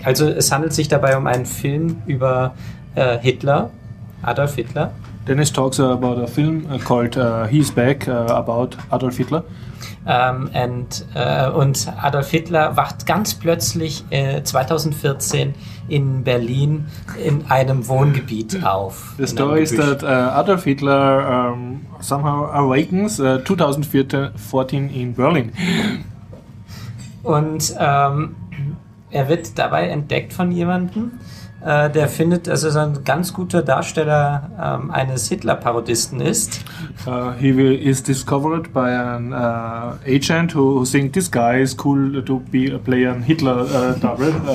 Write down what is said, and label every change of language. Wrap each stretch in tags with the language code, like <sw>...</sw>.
<de>Also es handelt sich dabei um einen Film über Hitler, Adolf Hitler.</de> <en>Dennis talks about a film called He's Back about Adolf Hitler.</en> <de>Und Adolf Hitler wacht ganz plötzlich 2014 in Berlin in einem Wohngebiet auf.</de> <en>The story is that Adolf Hitler somehow awakens 2014 in Berlin.</en> <de>Und er wird dabei entdeckt von jemandem, der findet, dass er ein ganz guter Darsteller eines Hitler-Parodisten ist.</de> <en>He is discovered by an agent who thinks this guy is cool to be a player in Hitler double.</en>